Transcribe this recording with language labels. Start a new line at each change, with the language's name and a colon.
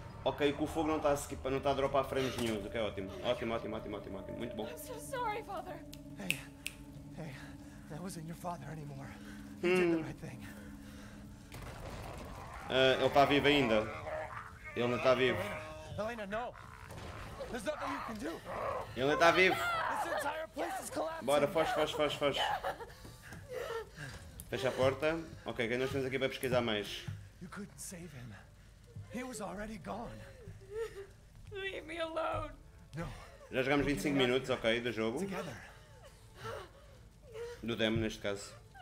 Portuguese: Ok, que o fogo não está a dropar frames news, ok? Ótimo. Muito bom.
English: I'm so sorry, father. Hey, that wasn't your father anymore. He did the right thing.
Portuguese: Ele está vivo ainda. Ele não está vivo.
English: Elena, no. There's nothing you can do.
Portuguese: Ele não está vivo.
English: This entire place is collapsing.
Portuguese: Bora, foge. Fecha a porta. Ok, que nós temos aqui para pesquisar mais.
English: You couldn't save him. He was already gone. Leave me alone. No.
Portuguese: Já jogamos 25 minutos, ok, do jogo.
English: Together.
Portuguese: Do demo, neste caso.